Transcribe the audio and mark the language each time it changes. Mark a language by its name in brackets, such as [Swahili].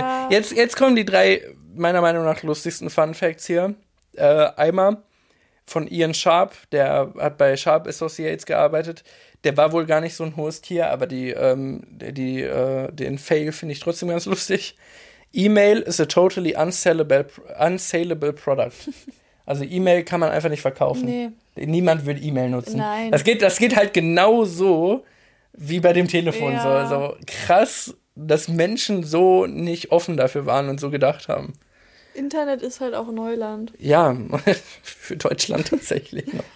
[German] Ja. Jetzt kommen die 3 meiner Meinung nach lustigsten Fun-Facts hier. Einmal von Ian Sharp, der hat bei Sharp Associates gearbeitet. Der war wohl gar nicht so ein hohes Tier, aber den Fail finde ich trotzdem ganz lustig. [English] E-Mail is a totally unsaleable product. [German] Also E-Mail kann man einfach nicht verkaufen. Nee. Niemand will E-Mail nutzen. Nein. Das geht halt genau so wie bei dem Telefon. Ja. So. Also krass, dass Menschen so nicht offen dafür waren und so gedacht haben. Internet ist halt auch Neuland. Ja, für Deutschland tatsächlich noch.